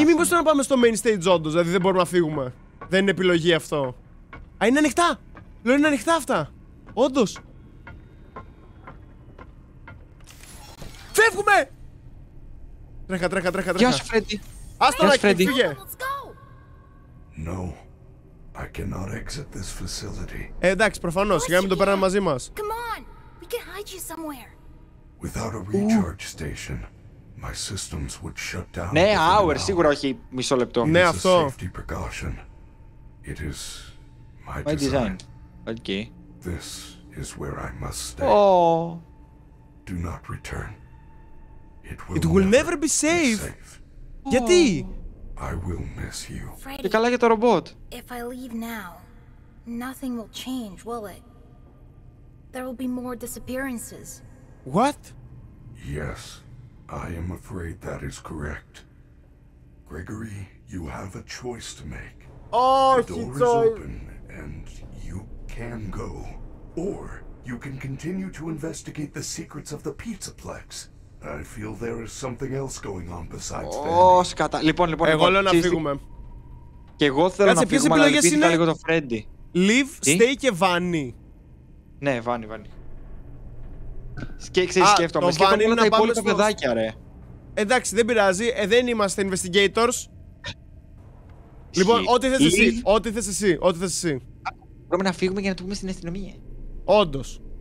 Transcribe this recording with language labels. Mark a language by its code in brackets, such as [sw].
[el] Ή μήπως να πάμε στο main stage όντως, δηλαδή δεν μπορούμε να φύγουμε. Δεν είναι επιλογή αυτό. Α, είναι ανοιχτά! Λέω είναι ανοιχτά αυτά! Όντως! Φεύγουμε! Τρέχα, τρέχα, τρέχα, τρέχα! Γεια σου, Φρέντι! Ας το Ράκη, φύγε! [en] No, I cannot exit this facility. [el] Εντάξει, προφανώς, σιγά μην το παίρνουμε μαζί μας. [en] Come on, we can hide you somewhere. Without a recharge station, my systems would shut down. [el] Ναι, hour, σίγουρα όχι μισό λεπτό. Ναι, αυτό. [en] Safety precaution. It is... my design. Okay. This is where I must stay. Oh. Do not return. It will never be safe. Oh. [el] Γιατί? [en] I will miss you. [el] Και καλά για το ρομπότ. [en] If I leave now, nothing will change, will it? There will be more disappearances. What? Yes, I am afraid that is correct. Gregory, you have a choice to make. Oh, the door is open. And you can go, or you can continue to investigate the secrets of the Pizzaplex. I feel there is something else going on besides that. [el] Oh, σκατά. Λοιπόν, εγώ λέω να φύγουμε. Και εγώ θέλω να φύγουμε, αλλά λυπήθηκα λίγο το Freddy. [en] Live, stay [el] και [en] Vanny. [el] Ναι, Vanny, Vanny. Και ξέρεις, σκέφτομαι. Σκέφτομαι όλα τα υπόλοιπα παιδάκια, ρε. Εντάξει, δεν πειράζει. Δεν είμαστε investigators. Λοιπόν, ό,τι θες εσύ, ό,τι θες εσύ, ό,τι θες εσύ. Μπορούμε να φύγουμε για να το πούμε στην αστυνομία. Όντως.